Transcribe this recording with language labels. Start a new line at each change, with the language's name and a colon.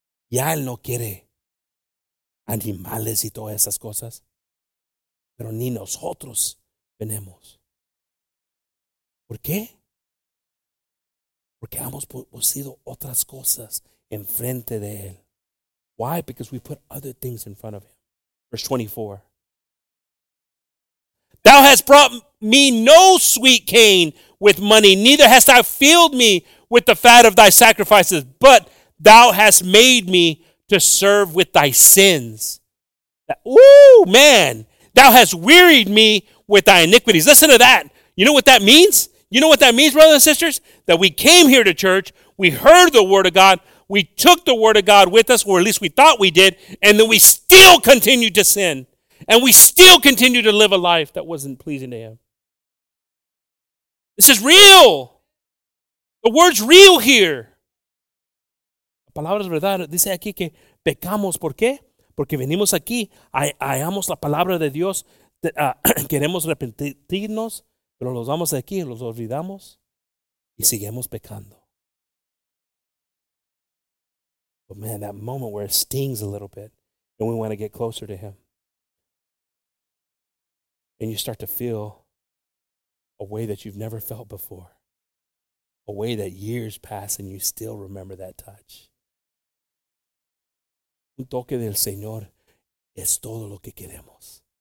Spanish: Ya él no quiere animales y todas esas cosas. Pero ni nosotros tenemos. ¿Por qué? Porque hemos puesto otras cosas en frente de él.
English: Why? Because we put other things in front of him. Verse 24. Thou hast brought me no sweet cane with money, neither hast thou filled me with the fat of thy sacrifices, but thou hast made me to serve with thy sins. Woo, man. Thou hast wearied me with thy iniquities. Listen to that. You know what that means? You know what that means, brothers and sisters? That we came here to church, we heard the word of God, we took the word of God with us, or at least we thought we did, and then we still continued to sin. And we still continued to live a life that wasn't pleasing to him. This is real. The word's real here.
Spanish: La palabra es verdad. Dice aquí que pecamos. ¿Por qué? Porque venimos aquí, hallamos la palabra de Dios, queremos arrepentirnos, pero los vamos de aquí, los olvidamos y seguimos pecando.
English: But man, that moment where it stings a little bit and we want to get closer to him. And you start to feel a way that you've never felt before. A way that years pass and you still remember that touch.
Spanish: Un toque del Señor es todo lo que queremos.